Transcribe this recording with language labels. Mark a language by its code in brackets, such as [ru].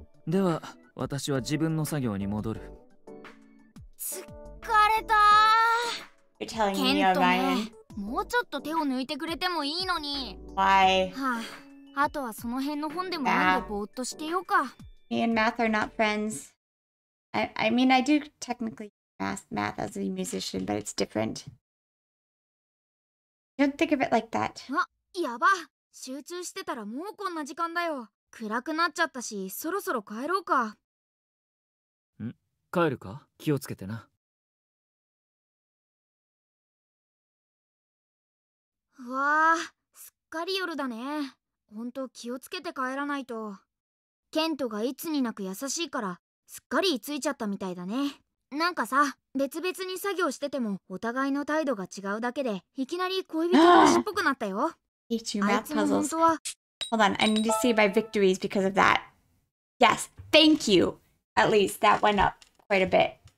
[ja] では、私は自分の作業に戻る。疲れた。 [en] You're telling me, Ryan. [ja] もうちょっと手を抜いてくれてもいいのに。はい。はあ、あとはその辺の本でも読んでぼーっとしてようか。 [en] Me and math are not friends. I mean, I do technically use math as a musician, but it's different. Don't think of it like that. [ja] あ、やば。集中してたらもうこんな時間だよ。暗くなっちゃったし、そろそろ帰ろうか。ん？帰るか？気をつけてな。わあ、すっかり夜だね。ほんと気をつけて帰らないと。ケントがいつになく優しいから、すっかり居ついちゃったみたいだね。なんかさ、別々に作業してても、お互いの態度が違うだけで、いきなり恋人同士っぽくなったよ。あいつも本当は。 [en] Hold on, I need to see my victories because of that. Yes, thank you! At least that went up quite a bit.